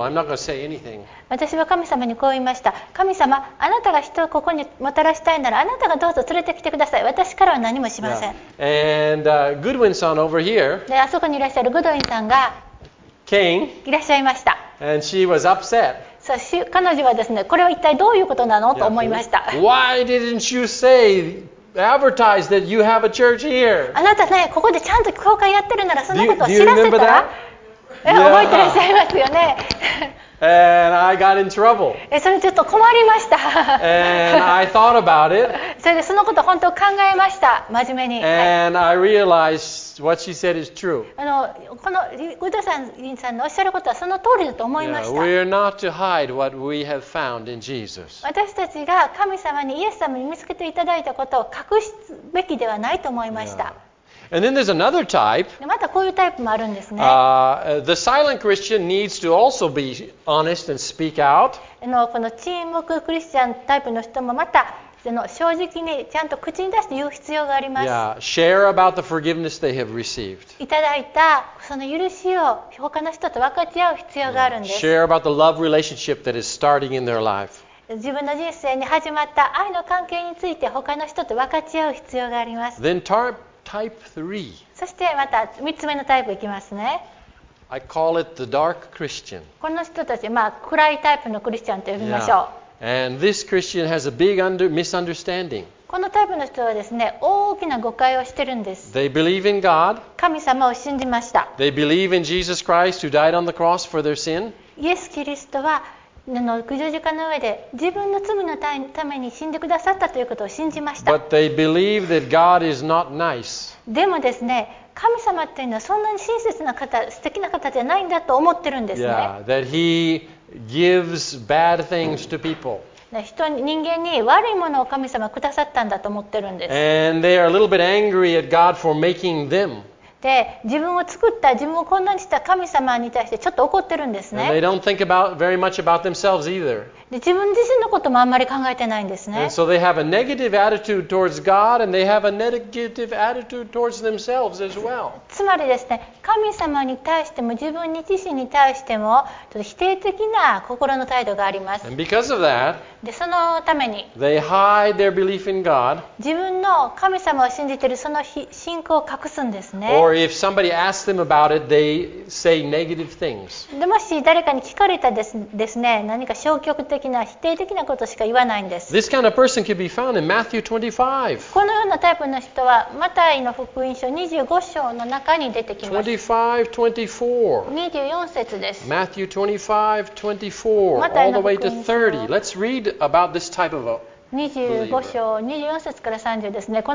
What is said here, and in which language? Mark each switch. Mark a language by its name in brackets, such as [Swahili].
[English] I'm not going to say anything. [Japanese] 私は神様にこう言いました。神様、あなたが人をここにもたらしたいなら、あなたがどうぞ連れてきてください。私からは何もしません。 [English] Yeah. And Goodwin さん over here. [Japanese] で、あそこにいらっしゃるグドウィンさんが、 [English] came. [Japanese] いらっしゃいました。 [English] And she was upset. [Japanese] 彼女はですね、これは一体どういうことなの、 [English] yeah. [Japanese] と思いました。 [English] Why didn't you say, advertise that you have a church here? [Japanese] あなたね、ここでちゃんと教会やってるならそんなことは知らせたら。 [English] Yeah. [Japanese] 覚えてらっしゃいますよね。 [English] And I got in trouble. [Japanese] それちょっと困りました。 [English] And I thought about it. [Japanese] それでそのこと本当考えました、真面目に。 [English] And I realized what she said is true. [Japanese] このウドさんのおっしゃることはその通りだと思いました。 [English] Yeah, we're not to hide what we have found in Jesus. [Japanese] 私たちが神様にイエス様に見つけていただいたことを隠すべきではないと思いました。 [English] Yeah. And then there's another type. [Japanese] またこういうタイプもあるんですね。 [English] The silent Christian needs to also be honest and speak out. [Japanese] この沈黙クリスチャンタイプの人もまた正直にちゃんと口に出して言う必要があります。 [English] Yeah, share about the forgiveness they have received. [Japanese] いただいたその許しを他の人と分かち合う必要があるんです。 [English] Yeah, share about the love relationship that is starting in their life. [Japanese] 自分の人生に始まった愛の関係について他の人と分かち合う必要があります。 [English] Then type 3. [Japanese] そしてまた3つ目のタイプいきますね。 [English] I call it the dark Christian. [Japanese] この人たち、暗いタイプのクリスチャンと呼びましょう。 [English] Yeah. And this Christian has a big misunderstanding. [Japanese] このタイプの人はですね、大きな誤解をしてるんです。 [English] They believe in God. [Japanese] 神様を信じました。 [English] They believe in Jesus Christ who died on the cross for their sin. [Japanese] イエス・キリストは十字架の上で自分の罪のために死んでくださったということを信じました。 [English] But they believe that God is not nice. [Japanese] でもですね、神様っていうのはそんなに親切な方、素敵な方じゃないんだと思ってるんですね。 [English] Yeah, that he gives bad things to people. [Japanese] 人間に悪いものを神様くださったんだと思ってるんです。 [English] And they are a little bit angry at God for making them. [Japanese] で、自分を作った、自分をこんなにした神様に対してちょっと怒ってるんですね。 [English] And they don't think about very much about themselves either. [Japanese] で、自分自身のこともあんまり考えてないんですね。 [English] And so they have a negative attitude towards God, and they have a negative attitude towards themselves as well. [Japanese] つまりですね、神様に対しても自分に自身に対しても、ちょっと否定的な心の態度があります。 [English] And because of that, [Japanese] で、そのために、 [English] they hide their belief in God. [Japanese] 自分の神様を信じているその信仰を隠すんですね。 [English] Or if somebody asks them about it, they say negative things. [Japanese] でもし誰かに聞かれたですね、何か消極的な否定的なことしか言わないんです。 [English] This kind of person can be found in Matthew 25. [Japanese] このようなタイプの人はマタイの福音書25章の中に出てきます。 25:24。24節です。 [English] Matthew 25:24 all the way to 30. Let's read about this type of a [Japanese] 25章24節から30ですね。